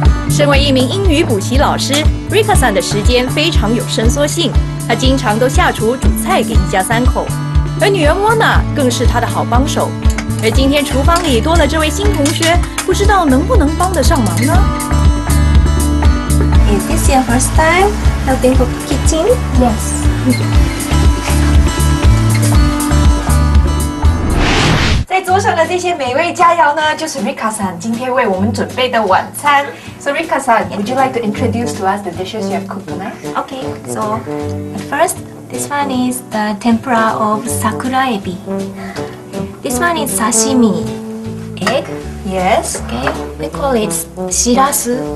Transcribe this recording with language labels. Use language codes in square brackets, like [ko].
[zh] 身为一名英语补习老师 ，Rika-san 的时间非常有伸缩性，他经常都下厨煮菜给一家三口，而女儿 Mona 更是他的好帮手。而今天厨房里多了这位新同学，不知道能不能帮得上忙呢？ [en] Is this your first time helping cook kitchen? Yes. Okay. [zh] 在桌上的这些美味佳肴呢，就是 Rika-san 今天为我们准备的晚餐。 [en] So Rika-san, would you like to introduce to us the dishes you have cooked tonight? Okay. So first, this one is the tempura of sakura ebi. This one is sashimi. Egg? Yes. Okay. We call it shirasu.